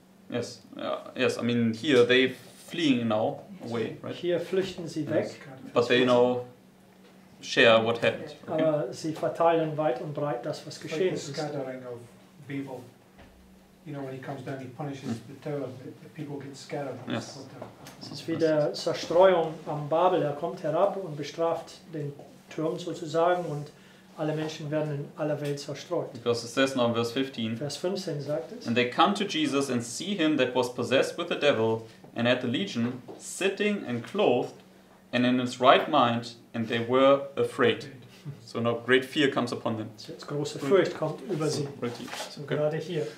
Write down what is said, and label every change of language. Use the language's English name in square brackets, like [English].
[English] Yes, yes. I mean, here they fleeing now away, right? [German] Hier flüchten sie weg. [English] But they know. Share what happened. Okay. [German] Aber sie verteilen weit und breit das, was geschehen ist. [English] Like the scattering of Babel. You know, when he comes down, he punishes the tower. The people get scattered. Yes. [German] Es ist wie der Zerstreuung am Babel. Er kommt herab und bestraft den Turm sozusagen und alle Menschen werden in aller Welt zerstreut. [English] Because it says now in verse 15. [German] Vers 15 sagt es. [English] And they come to Jesus and see him that was possessed with the devil and had the legion sitting and clothed and in his right mind, and they were afraid. So now great fear comes upon them. [German] Jetzt große Furcht kommt über sie. [English] Okay. [German] So gerade hier.